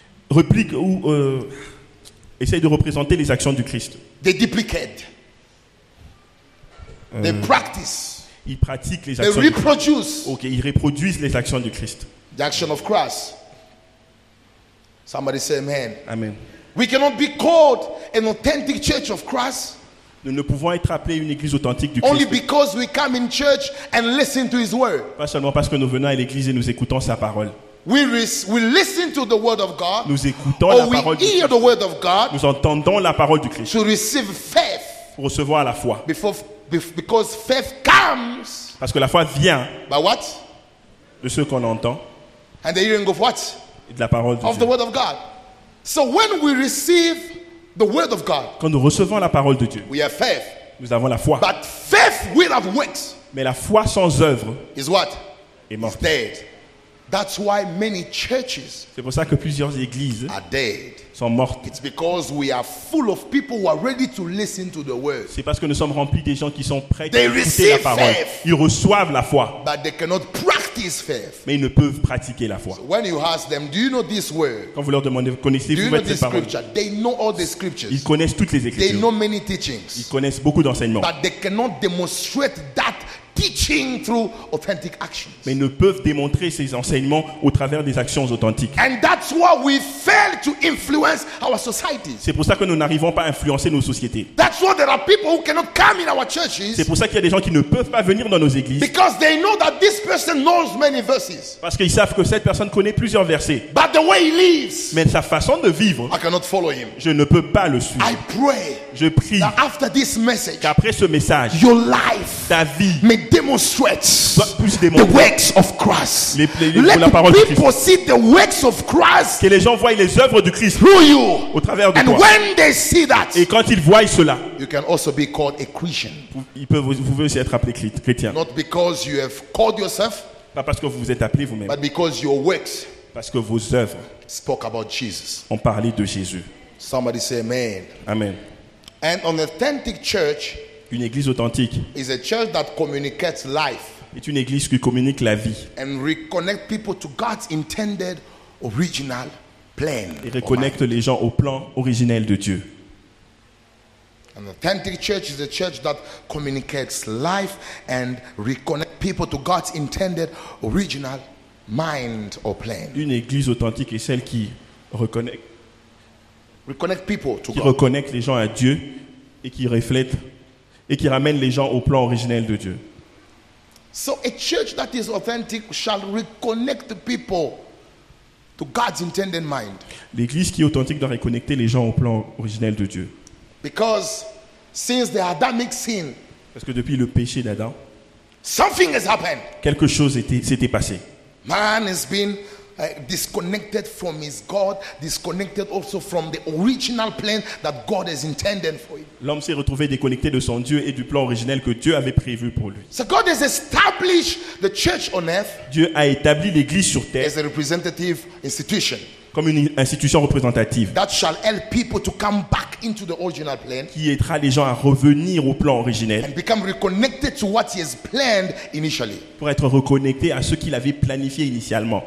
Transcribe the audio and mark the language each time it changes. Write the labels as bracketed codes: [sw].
[fr] Replique ou essaye de représenter les actions du Christ. [en] They duplicate. They practice. [fr] Ils pratiquent les actions. [en] They reproduce. [fr] Ok, ils reproduisent les actions du Christ. [en] The action of Christ. Somebody say amen. Amen. We cannot be called an authentic church of Christ. [fr] Nous ne pouvons être appelés une église authentique du Christ. [en] Only because we come in church and listen to His word. [fr] Pas seulement parce que nous venons à l'église et nous écoutons sa parole. [en] We listen to the word of God. [fr] Nous écoutons la parole du Christ. [en] We hear the word of God. [fr] Nous entendons la parole du Christ. [en] To receive faith. [fr] recevoir la foi. [en] Because faith comes. [fr] Parce que la foi vient. [en] By what? [fr] De ce qu'on entend. [en] And the hearing of what? [fr] De la parole de Dieu. [en] Of the word of God. So when we receive the word of God, [fr] quand nous recevons la parole de Dieu, [en] we have faith. [fr] Nous avons la foi. [en] But faith without works. [fr] Mais la foi sans œuvre [en] is what? [fr] Est morte. [en] Is dead. That's why many churches. [fr] C'est pour ça que plusieurs églises [en] are dead. [fr] Sont mortes. [en] It's because we are full of people who are ready to listen to the word. [fr] C'est parce que nous sommes remplis des gens qui sont prêts à écouter la parole. [en] Faith, [fr] ils reçoivent la foi. [en] But they cannot practice faith. [fr] Mais ils ne peuvent pratiquer la foi. [en] So when you ask them, do you know this word? [fr] Quand vous leur demandez, connaissez-vous cette parole? [en] Do you know this scripture? They know all the scriptures. [fr] Ils connaissent toutes les écritures. [en] They know many teachings. [fr] Ils connaissent beaucoup d'enseignements. [en] But they cannot demonstrate that. Teaching through authentic actions. [fr] Mais ne peuvent démontrer ces enseignements au travers des actions authentiques. [en] And that's why we fail to influence our societies. [fr] C'est pour ça que nous n'arrivons pas à influencer nos sociétés. [en] That's why there are people who cannot come in our churches. [fr] C'est pour ça qu'il y a des gens qui ne peuvent pas venir dans nos églises. [en] Because they know that this person knows many verses. [fr] Parce qu'ils savent que cette personne connaît plusieurs versets. [en] But the way he lives. [fr] Mais sa façon de vivre. [en] I cannot follow him. [fr] Je ne peux pas le suivre. [en] I pray. [fr] Je prie. [en] That after this message. [fr] Qu'après ce message. [en] Your life. [fr] Ta vie. [en] Démontrer the works of Christ. Let the people see the works of Christ. [fr] Que les gens voient les œuvres du Christ. [en] Through you. [fr] Au travers de toi. [en] And when they see that. [fr] Et quand ils voient cela. [en] You can also be called a Christian. [fr] Vous pouvez aussi être appelé chrétien. [en] Not because you have called yourself. [fr] Pas parce que vous vous êtes appelé vous-même. [en] But because your works. [fr] Parce que vos œuvres. [en] Spoke about Jesus. [fr] Ont parlé de Jésus. [en] Somebody say amen. Amen. And an authentic church. [fr] Une église authentique [en] is a church that communicates life [fr] est une église qui communique la vie [en] and reconnect people to God's intended original plan [fr] et reconnecte les gens au plan originel de Dieu. [en] An authentic church is a church that communicates life and reconnect people to God's intended original mind or plan. [fr] Une église authentique est celle qui reconnecte [en] people to [fr] qui [en] God. [fr] Reconnecte les gens à Dieu et qui reflète et qui ramène les gens au plan originel de Dieu. [en] So a church that is authentic shall reconnect people to God's intended mind. [fr] L'église qui est authentique doit reconnecter les gens au plan originel de Dieu. [en] Because since the Adamic sin, [fr] parce que depuis le péché d'Adam, [en] something has happened. [fr] Quelque chose s'était passé. [en] Man has been disconnected from his God, disconnected also from the original plan that God has intended for him. [fr] L'homme s'est retrouvé déconnecté de son Dieu et du plan originel que Dieu avait prévu pour lui. [en] So God has established the church on earth. [fr] Dieu a établi l'église sur terre. [en] As a representative institution. [fr] Comme une institution représentative. [en] That shall help people to come back into the original plan. [fr] Qui aidera les gens à revenir au plan originel. [en] And become reconnected to what he has planned initially. [fr] Pour être reconnecté à ce qu'il avait planifié initialement.